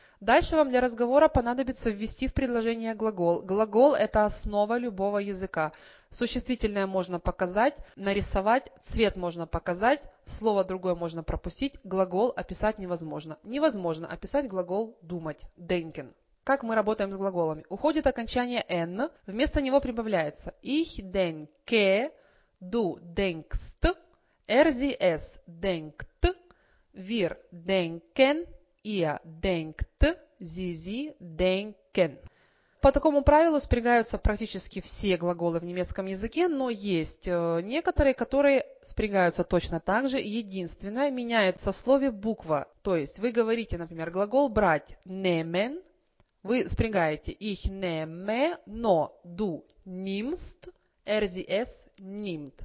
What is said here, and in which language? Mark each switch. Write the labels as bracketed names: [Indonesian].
[Russian] Дальше вам для разговора понадобится ввести в предложение глагол. Глагол – это основа любого языка. Существительное можно показать, нарисовать, цвет можно показать, слово другое можно пропустить, глагол описать невозможно. Невозможно описать глагол «думать» – «denken». Как мы работаем с глаголами? Уходит окончание «n», вместо него прибавляется [German] «ich denke», «du denkst», «er sie es denkt», «wir denken», ihr denkt, sie, sie denken. [Russian] По такому правилу спрягаются практически все глаголы в немецком языке, но есть некоторые, которые спрягаются точно так же. Единственное, меняется в слове буква. То есть вы говорите, например, глагол брать nehmen, вы спрягаете [German] ich nehme, [Russian] но [German] du nimmst, er sie es nimmt.